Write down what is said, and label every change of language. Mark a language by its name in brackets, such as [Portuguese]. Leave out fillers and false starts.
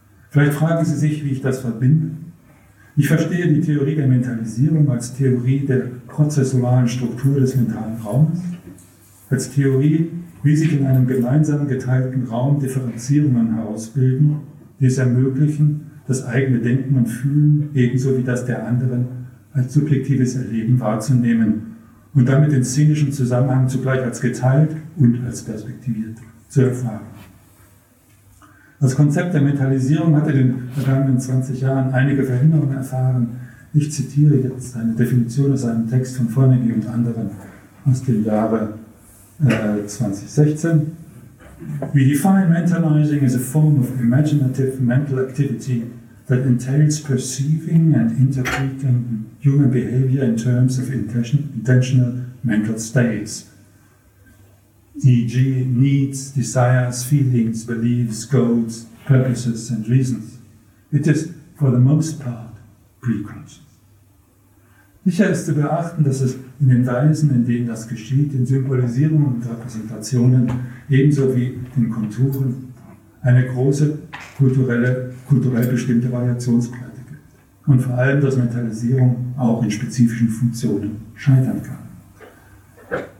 [German] Vielleicht fragen Sie sich, wie ich das verbinde. Ich verstehe die Theorie der Mentalisierung als Theorie der prozessualen Struktur des mentalen Raumes, als Theorie, wie sich in einem gemeinsam geteilten Raum Differenzierungen herausbilden, die es ermöglichen, das eigene Denken und Fühlen ebenso wie das der anderen als subjektives Erleben wahrzunehmen und damit den szenischen Zusammenhang zugleich als geteilt und als perspektiviert zu erfahren. Das Konzept der Mentalisierung hatte in den vergangenen 20 Jahren einige Veränderungen erfahren. Ich zitiere jetzt eine Definition aus einem Text von Fonagy und anderen aus dem Jahre 2016. [English] We define mentalizing as a form of imaginative mental activity that entails perceiving and interpreting human behavior in terms of intentional mental states. E.g. needs, desires, feelings, beliefs, goals, purposes and reasons. It is, for the most part, preconscious. [German] Sicher ist zu beachten, dass es in den Weisen, in denen das geschieht, in Symbolisierungen und Repräsentationen, ebenso wie in Konturen, eine große kulturell bestimmte Variationsbreite gibt. Und vor allem, dass Mentalisierung auch in spezifischen Funktionen scheitern kann.